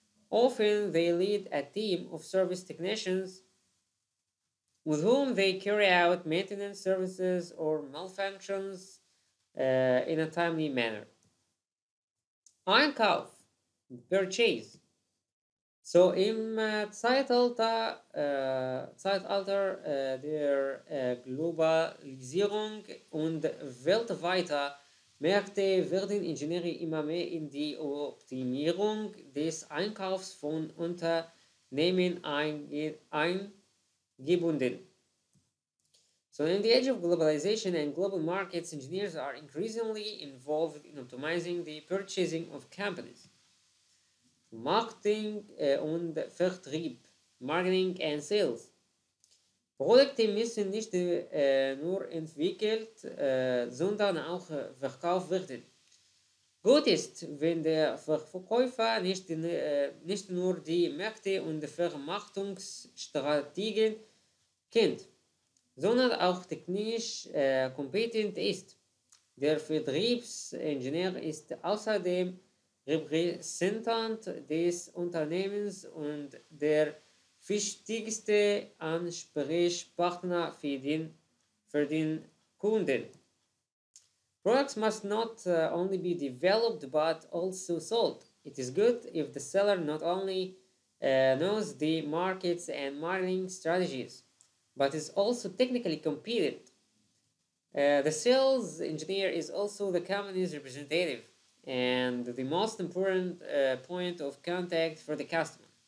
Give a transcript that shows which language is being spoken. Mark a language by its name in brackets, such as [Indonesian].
[English] Often they lead a team of service technicians with whom they carry out maintenance services or malfunctions in a timely manner. [German] Einkauf, purchase. So im Zeitalter der Globalisierung und weltweiter Märkte werden Ingenieure immer mehr in die Optimierung des Einkaufs von Unternehmen eingebunden. [English] So in the age of globalization and global markets, engineers are increasingly involved in optimizing the purchasing of companies. [German] Marketing und Vertrieb, [English] Marketing and Sales. [German] Produkte müssen nicht nur entwickelt, sondern auch verkauft werden. Gut ist, wenn der Verkäufer nicht nur die Märkte und Vermarktungsstrategien kennt, sondern auch technisch kompetent ist. Der Vertriebsingenieur ist außerdem Repräsentant des Unternehmens und der wichtigste Ansprechpartner für den Kunden. [English] Products must not only be developed but also sold. It is good if the seller not only knows the markets and marketing strategies, but is also technically competent. The sales engineer is also the company's representative and the most important point of contact for the customer.